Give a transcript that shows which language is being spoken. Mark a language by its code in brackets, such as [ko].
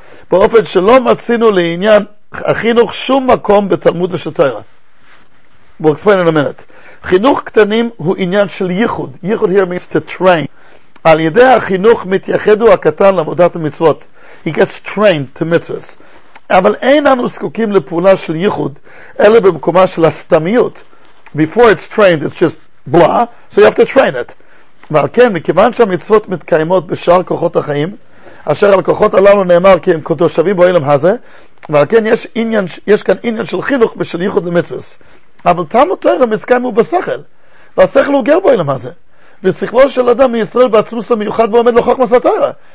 [he] באופן שלא מצינו לעניין החינוך שום מקום בתלמוד של תורה. [en] We'll explain in a minute. [he] חינוך קטנים הוא עניין של ייחוד. ייחוד [en] here means to train. [he] על ידי החינוך מתייחדו הקטן לעבודת המצוות. [en] He gets trained to mitzvahs. [he] אבל אין אנו זקוקים לפעולה של ייחוד, אלא במקומה של הסתמיות. [en] Before it's trained, it's just blah, so you have to train it. [he] ועל כן, מכיוון שהמצוות מתקיימות בשאר כוחות החיים, אשר על כוחות הללו נאמר כי הם כתושבים בעולם הזה, ועל כן יש כאן עניין של חינוך בשל ייחוד למצוות. אבל תלמוד תורה מסכם הוא בשכל, והשכל הוא גר בעולם הזה, ושכלו של אדם מישראל בעצמוס המיוחד ועומד לחוכמת התורה.